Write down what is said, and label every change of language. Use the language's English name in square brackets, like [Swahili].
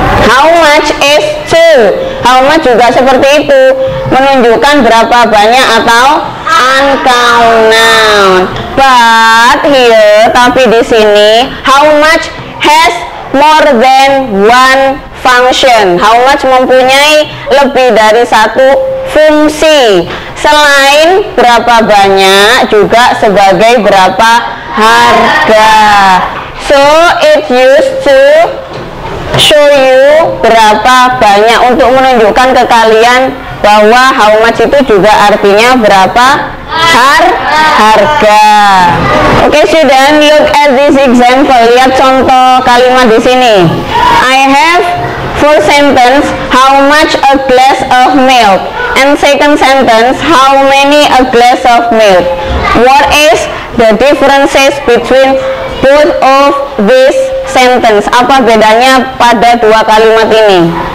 [English] How much is two? [Indonesian] How much juga seperti itu, menunjukkan berapa banyak atau uncount noun. [English] But here, [Indonesian] tapi di sini, [English] how much has more than one function? [Indonesian] How much mempunyai lebih dari satu fungsi? Selain berapa banyak, juga sebagai berapa harga. [English] So it used to show you [Indonesian] berapa banyak untuk menunjukkan ke kalian bahwa how much itu juga artinya berapa harga. [English] Okay, student, look at this example. [Indonesian] Lihat contoh kalimat di sini. [English] I have first sentence, how much a glass of milk? And second sentence, how many a glass of milk? What is the differences between both of these sentence? [Indonesian] Apa bedanya pada dua kalimat ini?